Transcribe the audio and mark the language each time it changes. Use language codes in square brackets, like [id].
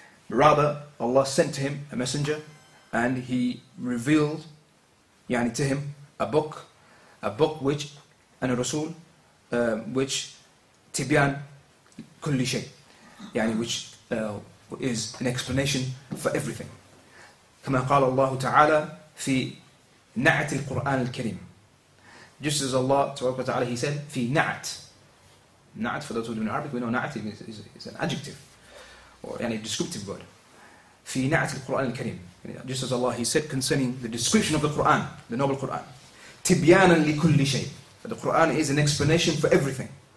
[en] Rather, Allah sent to him a messenger and he revealed to him a book which, and a Rasul, which [ar] Tibyan kulli shay, [en] which is an explanation for everything. [ar] كما قال الله تعالى في نعت القرآن الكريم. [en] Just as Allah تعالى, He said [ar] في نعت. [en] نعت, for those who do know Arabic, we know نعت is an adjective, or a descriptive word. [ar] في نعت القرآن الكريم. [en] Just as Allah, He said concerning the description of the Quran, the noble Quran. [ar] تبيانا لكل شيء. [en] The Quran is an explanation for everything.